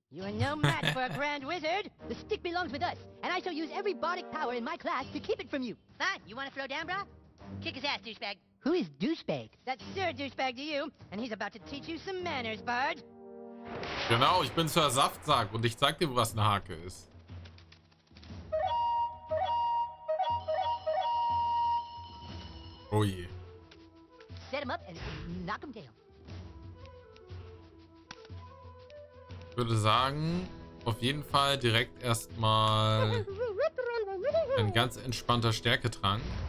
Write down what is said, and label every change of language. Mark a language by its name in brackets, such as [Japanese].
[English] You are no match for a grand wizard. The stick belongs with us, and I shall use every bardic power in my class to keep it from you. Fine, you want to throw down, brah? Kick his ass, douchebag. Who is douchebag? That's Sir Douchebag to you, and he's about to teach you some manners, bard. [German] Genau, ich bin Sir Saftsack und ich zeig dir, was eine Hake ist. Oh je. [English] Set him up and knock him down. [German] Ich würde sagen, auf jeden Fall direkt erstmal ein ganz entspannter Stärketrank.